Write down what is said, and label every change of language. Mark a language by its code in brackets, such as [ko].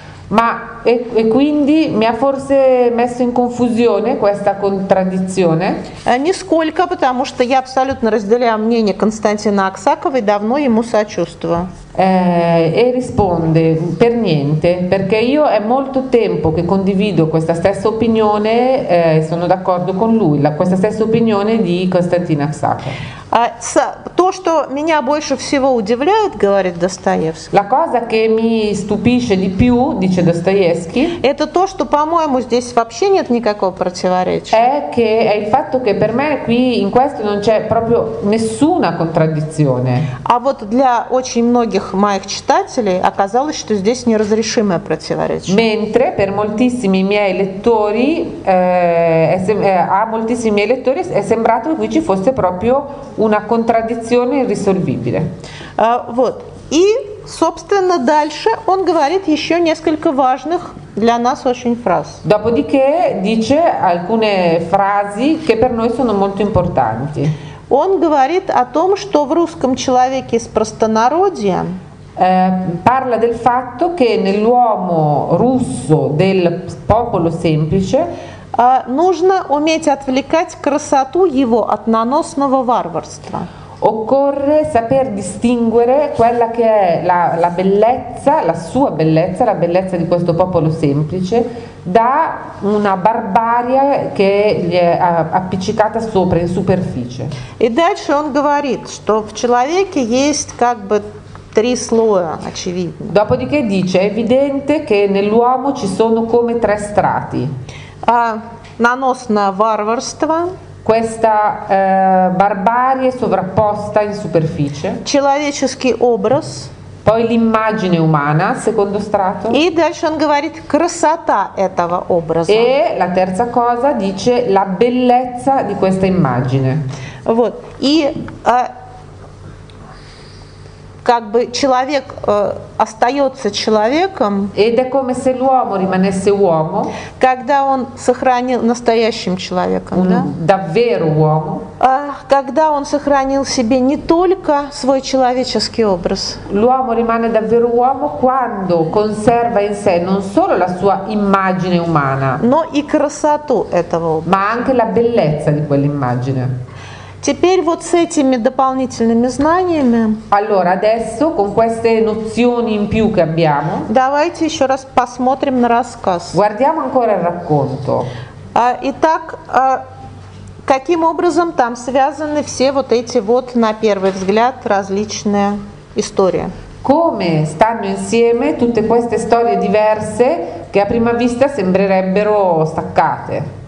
[it] Ma e quindi mi ha forse messo in confusione questa contraddizione? [ru] Нисколько, потому что я абсолютно разделяю мнение Константина Аксакова и давно ему сочувствую. [it] E risponde per niente, perché io è molto tempo che condivido questa stessa opinione e sono d'accordo con lui, questa stessa opinione di Constantine Aksakov. [ru] То, что меня больше всего удивляет, говорит Достоевский. [it] La cosa che mi stupisce di più, dice Dostoevskij. [ru] Это то, что, по-моему, здесь вообще нет никакого противоречия. [it] È il fatto che per me qui in questo non c'è proprio nessuna contraddizione. [ru] А вот для очень многих моих читателей оказалось, что здесь неразрешимое противоречие. [it] Mentre per moltissimi miei lettori, a moltissimi miei lettori è sembrato che qui ci fosse proprio una contraddizione irrisolvibile. [ru] Вот. И собственно, дальше он говорит еще несколько важных для нас очень фраз. [it] Dopodiché dice alcune frasi che per noi sono molto importanti. [ru] Он говорит о том, что в русском человеке из простонародья [it] parla del fatto che nell'uomo russo del popolo semplice [ru] нужно уметь отвлекать красоту его от наносного варварства. [it] Occorre saper distinguere quella che è la, la bellezza, la sua bellezza, la bellezza di questo popolo semplice, da una barbarie che gli è appiccicata sopra, in superficie. [ru] E дальше он говорит, что в человеке есть как бы три слоя, очевидно. [it] Dopodiché dice, è evidente che nell'uomo ci sono come tre strati. [ru] Наносное варварство. [it] Questa barbarie sovrapposta in superficie. [ru] Человеческий образ. [it] Poi l'immagine umana, secondo strato. [ru] И дальше он говорит красота этого образа. [it] E la terza cosa dice la bellezza di questa immagine. [ru] Вот. И как бы человек остается человеком. [it] Ed è come se l'uomo rimanesse uomo. [ru] Когда он сохранил настоящим человеком, да? [it] Davvero uomo. [ru] Когда он сохранил себе не только свой человеческий образ. [it] L'uomo rimane davvero uomo quando conserva in sé non solo la sua immagine umana. [ru] Но и красоту этого образа. [it] Ma anche la bellezza di quell'immagine. [ru] Теперь вот с этими дополнительными знаниями. [it] Allora, adesso con queste nozioni in più che abbiamo. [ru] Давайте еще раз посмотрим на рассказ. [it] Guardiamo ancora il racconto. [ru] Итак, каким образом там связаны все вот эти вот на первый взгляд различные истории? [it] Come stanno insieme tutte queste storie diverse che a prima vista sembrerebbero staccate?